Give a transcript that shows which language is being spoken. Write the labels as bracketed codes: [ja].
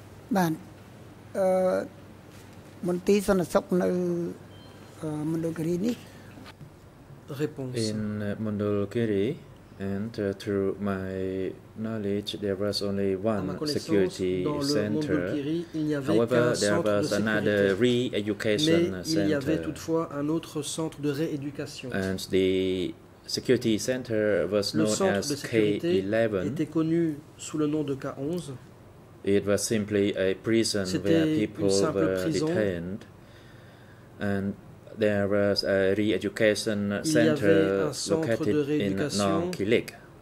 [fr] Ben, mon tis on a sopna Mondulkiri. Réponse. [en] In Mondulkiri, and through my knowledge, there was only one security center. However, there was another re-education center. [fr] Il y avait toutefois un autre centre de rééducation. [en] And the security center was known as K-11. [fr] Était connu sous le nom de K-11. [en] It was simply a prison [fr] C'était [en] where people were detained. And there was a re-education center located in Nong Kilik.